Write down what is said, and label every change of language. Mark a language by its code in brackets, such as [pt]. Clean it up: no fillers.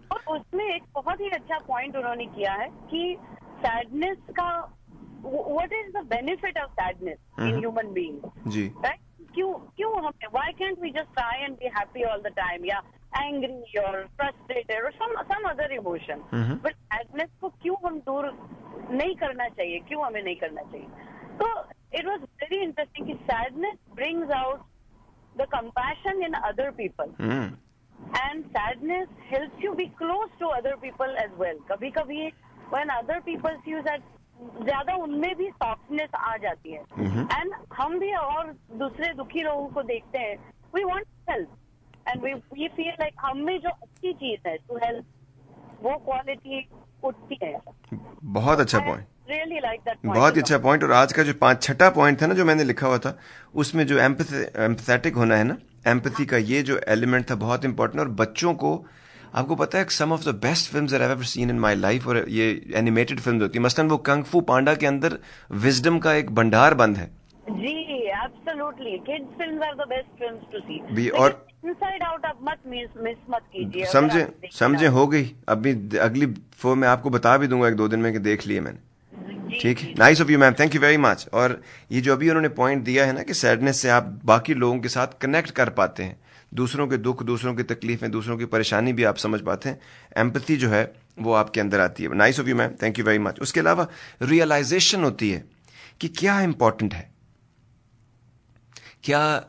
[ur] اور اس میں ایک بہت ہی اچھا پوائنٹ انہوں نے کیا ہے کہ سیڈنس کا, [en] what is the benefit of sadness in human being, [ur] جی [en] right, کیوں ہمیں, why can't we just try and be happy all the time, یا angry اور frustrated اور some other emotion, but sadness کو [ur] کیوں ہم دور نہیں کرنا چاہیے, کیوں ہمیں نہیں کرنا چاہیے. [en] تو it was very interesting کہ sadness brings out the compassion in other people, and sadness helps you be close to other people as well. [ur] کبھی کبھی [en] when other people see you that, [ur] زیادہ ان میں بھی سافٹنیس آ جاتی ہے, اینڈ ہم بھی اور دوسرے دکھی لوگوں کو دیکھتے ہیں, [en] we want to help, [ur] and [en] we feel like [ur] ہم میں جو اچھی چیز ہے ٹو ہیلپ, وہ کوالٹی اٹھتی ہے. بہت اچھا point, [en] really like that [ur] point. بہت اچھا پوائنٹ. اور آج کا جو پانچ چھٹا پوائنٹ تھا نا جو میں نے لکھا ہوا تھا, اس میں جو ایمپیتھیٹک ہونا ہے نا, ایمپیتھی کا یہ جو ایلیمنٹ تھا بہت امپورٹنٹ. اور بچوں کو آپ کو پتا ہے [en] some of the best films I have ever seen in my life, [ur] اور یہ اینیمیٹڈ فلمز ہوتی ہیں, مثلا وہ کنگ فو پانڈا کے اندر وزڈم کا ایک بھنڈار بند ہے. [en] جی absolutely, kids films are the best films to see be, اور [ur] انسائیڈ آؤٹ اب مت مس مت کیجیے. سمجھے ہو گئی, ابھی اگلی فور میں آپ کو بتا بھی دوں گا ایک دو دن میں کہ دیکھ لیے میں نے. [en] ٹھیک, nice of you ma'am, thank you very much. [ur] اور یہ جو ابھی انہوں نے پوائنٹ دیا ہے نا کہ سیڈنس سے آپ باقی لوگوں کے ساتھ کنیکٹ کر پاتے ہیں, دوسروں کے دکھ, دوسروں کی تکلیفیں, دوسروں کی پریشانی بھی آپ سمجھ پاتے ہیں, ایمپتھی جو ہے وہ آپ کے اندر آتی ہے. [en] Nice of you ma'am, thank you very much. [ur] اس کے علاوہ ریئلائزیشن ہوتی ہے کہ کیا امپورٹنٹ ہے, کیا